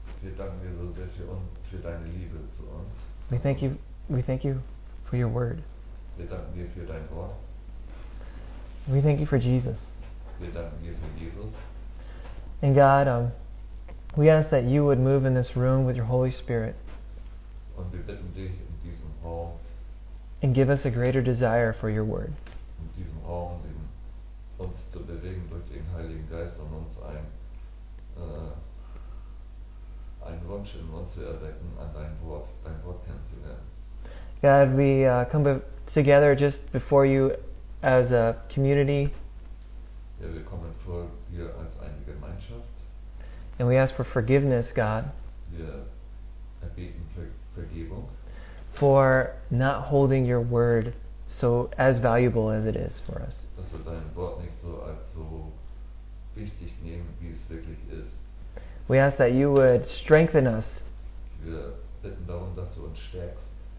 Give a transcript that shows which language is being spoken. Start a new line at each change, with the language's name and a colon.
German: Wir danken dir so sehr für uns, für deine Liebe zu uns.
English: We thank you for your word.
German: Wir danken dir für dein Wort.
English: We thank you for Jesus.
German: Wir danken dir für Jesus.
English: And God, we ask that you would move in this room with your Holy Spirit.
German: Und wir bitten dich in diesem Raum.
English: And give us a greater desire for your word.
German: In diesem Raum, in uns zu bewegen durch den Heiligen Geist und uns einen Wunsch in uns zu erwecken, an dein Wort kennenzulernen.
English: God, we come together just before you as a community.
German: Ja, wir kommen vor hier als eine Gemeinschaft.
English: And we ask for forgiveness, God.
German: Wir erbeten Vergebung.
English: For not holding your word so as valuable as it is for us.
German: Dass wir dein Wort nicht so als so wichtig nehmen, wie es wirklich ist.
English: We ask that you would strengthen us.
German: Wir bitten darum, dass du uns stärkst.